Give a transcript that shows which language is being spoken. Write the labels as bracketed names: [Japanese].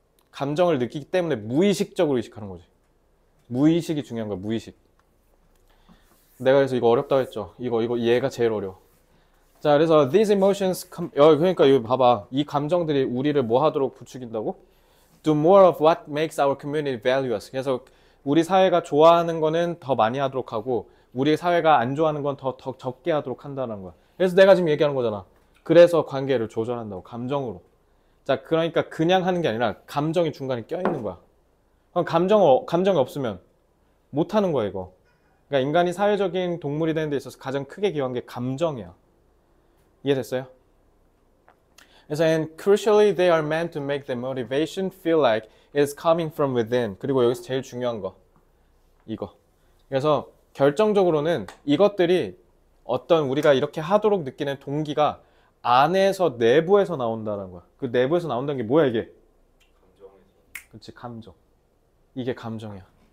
[Korean] 감정을 느끼기 때문에 무의식적으로 인식하는 거지. 무의식이 중요한 거야, 무의식. 내가 그래서 이거 어렵다고 했죠. 이거 얘가 제일 어려워. 자, 그래서 [English] these emotions come, [Korean] 그러니까 여기 봐봐. 이 감정들이 우리를 뭐 하도록 부추긴다고? [English] Do more of what makes our community value us. [Korean] 그래서 우리 사회가 좋아하는 거는 더 많이 하도록 하고, 우리 사회가 안 좋아하는 건더더 적게 하도록 한다는 거야. 그래서 내가 지금 얘기하는 거잖아. 그래서 관계를 조절한다고, 감정으로. 자, 그러니까 그냥 하는 게 아니라 감정이 중간에 껴 있는 거야. 감정이 없으면 못하는 거야, 이거. 그러니까 인간이 사회적인 동물이 되는 데 있어서 가장 크게 기여한 게 감정이야. 이해됐어요? 그래서 [English] and crucially they are meant to make the motivation feel like it's coming from within. [Korean] 그리고 여기서 제일 중요한 거 이거. 그래서 결정적으로는 이것들이 어떤 우리가 이렇게 하도록 느끼는 동기가 안에서 내부에서 나온다는 거야. 그 내부에서 나온다는 게 뭐야 이게? 그렇지, 감정. 이게 감정이야.